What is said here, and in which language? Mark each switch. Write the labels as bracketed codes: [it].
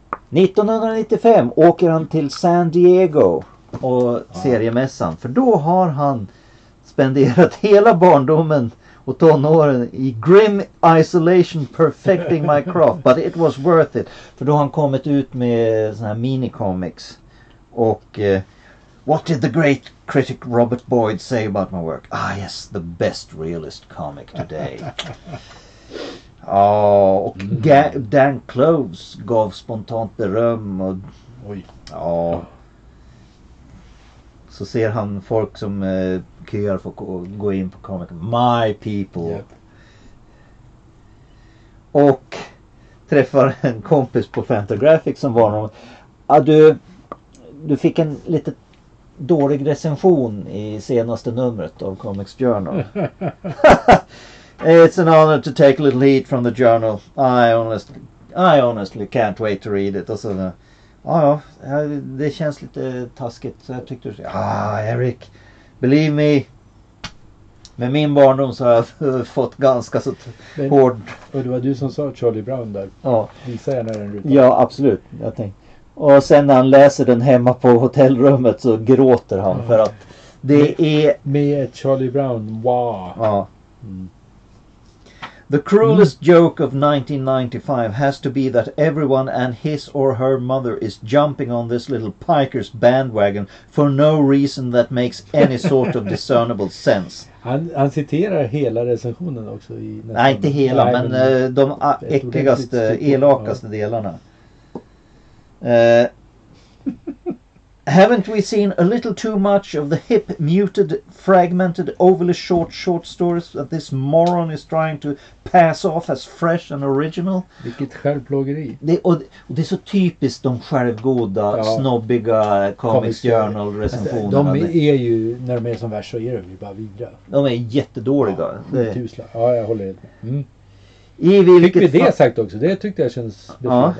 [sv] 1995 åker han till San Diego och seriemässan. För då har han spenderat hela barndomen och tonåren i [en] grim isolation perfecting my craft. But it was worth it. [sv] För då har han kommit ut med såna här minicomics. Och [en] what did the great critic Robert Boyd say about my work? Ah yes, the best realist comic today. [sv] Ja, och Dan Cloves gav spontant beröm. Och, oj. Ja. Så ser han folk som köar för att gå in på comic. [en] My people. Yep. [sv] Och träffar en kompis på Fantagraphics som var någon. Ja, du fick en lite dålig recension i senaste numret av Comics Journal. [en] It's an honor to take a little heat from the journal. I honestly can't wait to read it. [sv] Och så, ja, det känns lite taskigt. Så jag tyckte, Erik, [en] believe me. [sv] Med min barndom så har jag fått ganska så hård. Och det var du som sa Charlie Brown där. Ja. Visa gärna den rutan. Ja, absolut. Jag tänkte. Och sen när han läser den hemma på hotellrummet så gråter han för att det är... Med Charlie Brown, wow. Ja. Mm. [en] The cruelest joke of 1995 has to be that everyone and his or her mother is jumping on this little piker's bandwagon for no reason that makes any sort of discernible sense. [sv] Han citerar hela recensionen också. I nej, inte hela, men de äckligaste, elakaste delarna. [en] Haven't we seen a little too much of the hip, muted, fragmented, overly short stories that this moron is trying to pass off as fresh and original? [sv] Vilket självplågeri. Det är så typiskt de självgoda, snobbiga Comics Journal recensionerna. De är ju, när de är som värst så är de ju bara vidra. De är jättedåliga. Ja, jag håller med. Fick vi det sagt också? Det tyckte jag känns befriande.